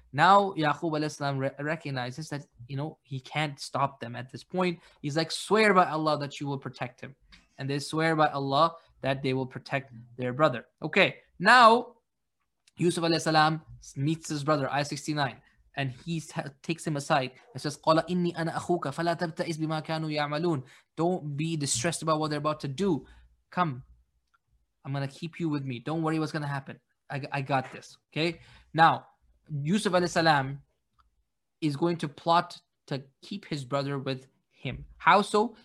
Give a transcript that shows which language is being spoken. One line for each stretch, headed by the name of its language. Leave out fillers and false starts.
English: Now Yaqub alayhi salam recognizes that, you know, he can't stop them at this point. He's like, swear by Allah that you will protect him. And they swear by Allah that they will protect their brother. Okay, now Yusuf alayhi salam meets his brother, ayah 69. And he takes him aside and says,
Arabic: قَالَ إِنِّي أَنَا أَخُوكَ فَلَا تَبْتَئِسْ بِمَا كَانُوا يَعْمَلُونَ.
English: Don't be distressed about what they're about to do. Come, I'm going to keep you with me. Don't worry what's going to happen. I got this. Okay, now Yusuf alayhi salam is going to plot to keep his brother with him. How so?